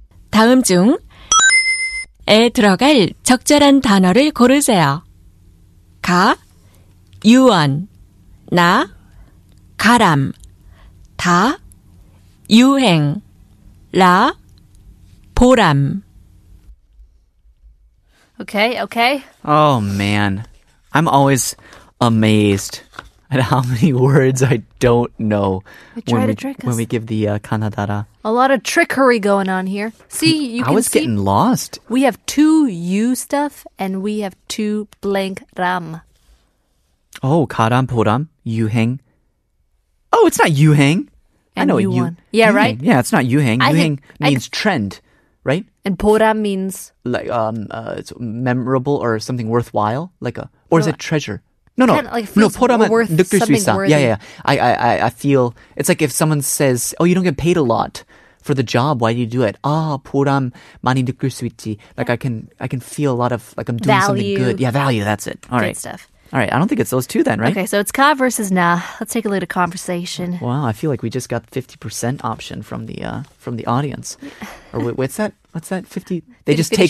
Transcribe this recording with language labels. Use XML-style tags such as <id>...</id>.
<ko>다음 중에 들어갈 적절한 단어를 고르세요. 가, 유언, 나, 가람, 다, 유행, 라, 보람.</ko> <en>Okay, okay. Oh, man. I'm always amazed at how many words I don't know when we give the kanadara. A lot of trickery going on here. See, you can see. I was getting lost. We have two U stuff and we have two blank ram. Oh, karam, poram, yuheng. Oh, it's not yuheng. And I know yuan. Yeah, yuheng. Right? Yeah, it's not yuheng. Yuheng means trend, right? And poram means? Like, it's memorable or something worthwhile. Like a, or is it treasure? No, no, kind of like no. Worth something worthy. Yeah. I feel it's like if someone says, "Oh, you don't get paid a lot for the job. Why do you do it?"</en> <ko>Ah, 보람 많이 느낄 수 있지.</ko> <en>Like I can feel a lot of like I'm doing value. Something good. Yeah, value. That's it. All good right. Stuff. All right. I don't think it's those two then, right? Okay. So it's ka versus na. Let's take a look at a conversation. Wow, I feel like we just got 50% option from the audience. Or what's that? What's that? 50. They just take</en>